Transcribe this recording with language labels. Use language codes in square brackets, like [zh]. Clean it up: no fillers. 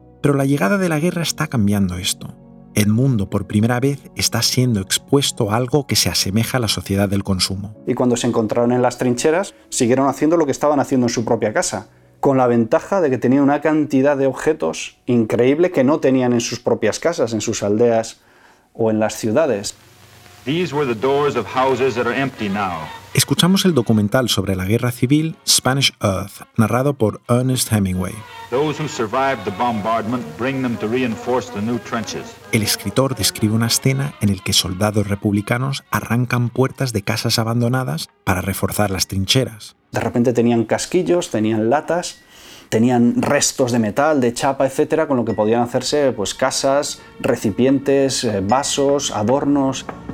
[es] Pero la llegada de la guerra está cambiando esto. Edmundo, por primera vez, está siendo expuesto a algo que se asemeja a la sociedad del consumo. Y cuando se encontraron en las trincheras, siguieron haciendo lo que estaban haciendo en su propia casa, con la ventaja de que tenían una cantidad de objetos increíble que no tenían en sus propias casas, en sus aldeas o en las ciudades. [en] These were the doors of houses that are empty now. [es] Escuchamos el documental sobre la guerra civil Spanish Earth, narrado por Ernest Hemingway. [en] Those who survived the bombardment bring them to reinforce the new trenches. [es] El escritor describe una escena en la que soldados republicanos arrancan puertas de casas abandonadas para reforzar las trincheras. De repente tenían casquillos, tenían latas, tenían restos de metal, de chapa, etcétera, con lo que podían hacerse pues casas, recipientes, vasos, adornos.